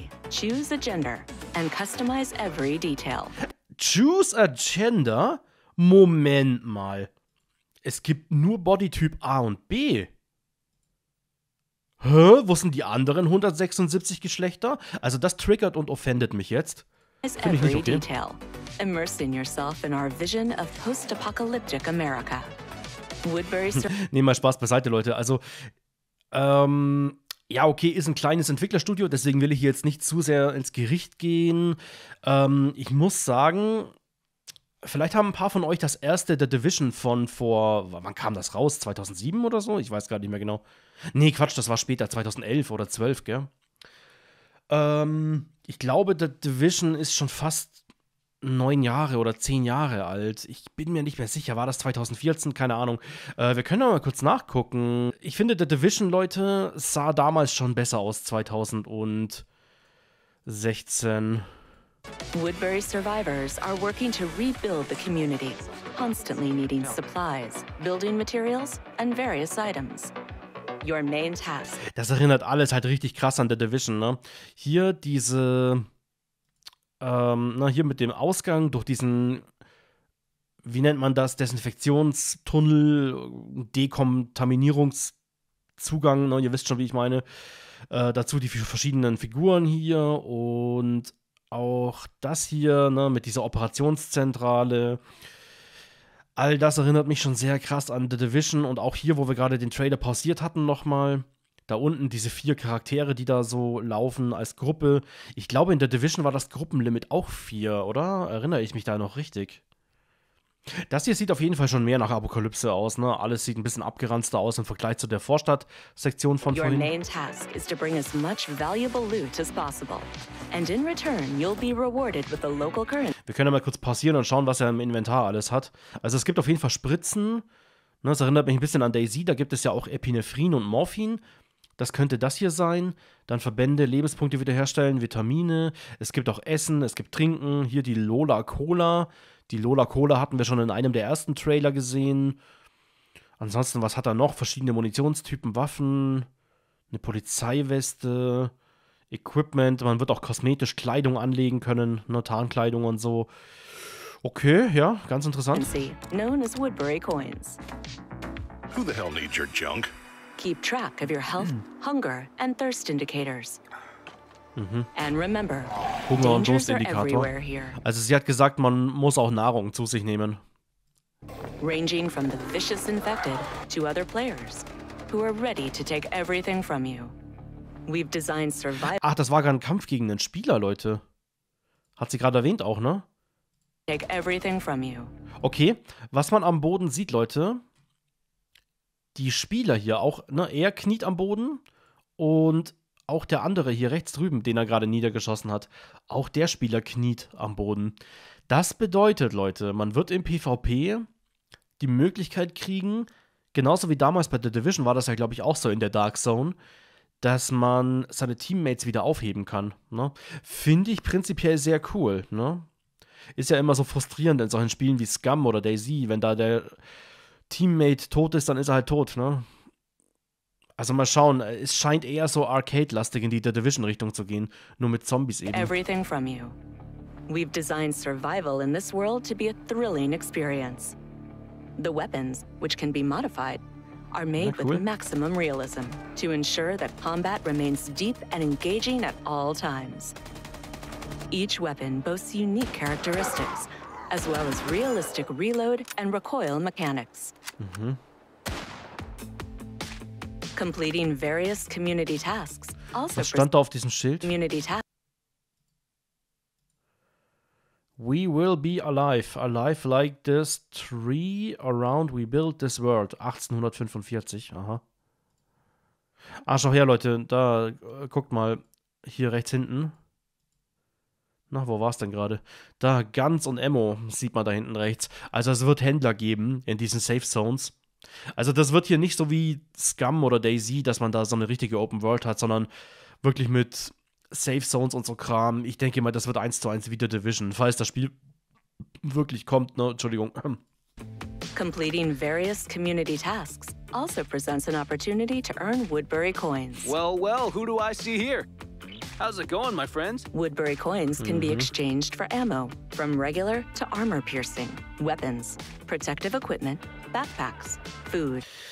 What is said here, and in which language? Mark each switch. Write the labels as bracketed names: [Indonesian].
[English] Choose a gender and customize every detail. Choose a gender? [German] Moment mal. Es gibt nur Bodytyp A und B. Hä? Wo sind die anderen 176 Geschlechter? Also das triggert und offendet mich jetzt. Find ich nicht okay. [English] Detail. Immerse in yourself in our vision of post-apocalyptic America. Woodbury. [German] Nehmt mal Spaß beiseite, Leute. Also, ja, okay, ist ein kleines Entwicklerstudio, deswegen will ich hier jetzt nicht zu sehr ins Gericht gehen. Ich muss sagen, vielleicht haben ein paar von euch das erste The Division von vor, wann kam das raus? 2007 oder so? Ich weiß gar nicht mehr genau. Nee, Quatsch, das war später, 2011 oder 12, gell? Ich glaube, The Division ist schon fast 9 Jahre oder 10 Jahre alt. Ich bin mir nicht mehr sicher, war das 2014? Keine Ahnung. Wir können aber mal kurz nachgucken. Ich finde, The Division, Leute, sah damals schon besser aus, 2016. [English] Woodbury Survivors are working to rebuild the community, constantly needing supplies, building materials and various items. Your main task. [German] Das erinnert alles halt richtig krass an The Division, ne? Hier diese... hier mit dem Ausgang durch diesen, wie nennt man das, Desinfektionstunnel, Dekontaminierungszugang, ne? Ihr wisst schon, wie ich meine, dazu die verschiedenen Figuren hier und auch das hier, ne, mit dieser Operationszentrale, all das erinnert mich schon sehr krass an The Division und auch hier, wo wir gerade den Trailer pausiert hatten nochmal. Da unten diese 4 Charaktere, die da so laufen als Gruppe. Ich glaube, in der Division war das Gruppenlimit auch 4, oder? Erinnere ich mich da noch richtig? Das hier sieht auf jeden Fall schon mehr nach Apokalypse aus, ne? Alles sieht ein bisschen abgeranzter aus im Vergleich zu der Vorstadt-Sektion von [English] Your [German] vorhin. [English] Your main task is to bring as much valuable loot as possible. And in return, you'll be rewarded with the local currency. [German] Wir können ja mal kurz pausieren und schauen, was er im Inventar alles hat. Also es gibt auf jeden Fall Spritzen. Das erinnert mich ein bisschen an DayZ. Da gibt es ja auch Epinephrin und Morphin. Das könnte das hier sein. Dann Verbände, Lebenspunkte wiederherstellen, Vitamine. Es gibt auch Essen, es gibt Trinken. Hier die Lola Cola. Die Lola Cola hatten wir schon in einem der ersten Trailer gesehen. Ansonsten, was hat er noch? Verschiedene Munitionstypen, Waffen, eine Polizeiweste, Equipment. Man wird auch kosmetisch Kleidung anlegen können, ne, Tarnkleidung und so. Okay, ja, ganz interessant. [English] Known as Woodbury Coins. Who the hell needs your junk? Keep track of your health, hunger and thirst indicators. And remember, [German] Hunger und Durstindikator. Also sie hat gesagt, man muss auch Nahrung zu sich nehmen. [English] Ranging from the vicious infected to other players who are ready to take everything from you. We've designed survival. [German] Ach, das war gerade ein Kampf gegen einen Spieler, Leute. Hat sie gerade erwähnt auch, ne? [English] Take everything from you. [German] Okay, was man am Boden sieht, Leute, die Spieler hier auch, ne, er kniet am Boden und auch der andere hier rechts drüben, den er gerade niedergeschossen hat, auch der Spieler kniet am Boden. Das bedeutet, Leute, man wird im PvP die Möglichkeit kriegen, genauso wie damals bei The Division war das ja, glaube ich, auch so in der Dark Zone, dass man seine Teammates wieder aufheben kann, ne? Finde ich prinzipiell sehr cool, ne? Ist ja immer so frustrierend in solchen Spielen wie Scum oder DayZ, wenn da der Teammate tot ist, dann ist er halt tot, ne? Also mal schauen, es scheint eher so Arcade-lastig in die The Division-Richtung zu gehen, nur mit Zombies eben. [English] Everything from you. We've designed survival in this world to be a thrilling experience. The weapons, which can be modified, are made with maximum realism to ensure that combat remains deep and engaging at all times. Each weapon boasts unique characteristics, as well as realistic reload and recoil mechanics. Completing various community tasks also. [German] Was stand da auf diesem Schild? [English] We will be alive, alive like this tree around we build this world. [German] 1845, aha. Ah, schau her, Leute, da guckt mal hier rechts hinten. Na, wo war's denn gerade? Da, Guns und Ammo sieht man da hinten rechts. Also es wird Händler geben in diesen Safe Zones. Also das wird hier nicht so wie Scum oder DayZ, dass man da so eine richtige Open World hat, sondern wirklich mit Safe Zones und so Kram. Ich denke mal, das wird 1 zu 1 wie The Division, falls das Spiel wirklich kommt, ne? Entschuldigung. [English] Completing various community tasks also presents an opportunity to earn Woodbury Coins. Well, well, who do I see here? How's it going, my friends? Woodbury coins can be exchanged for ammo, from regular to armor-piercing, weapons, protective equipment, backpacks, food.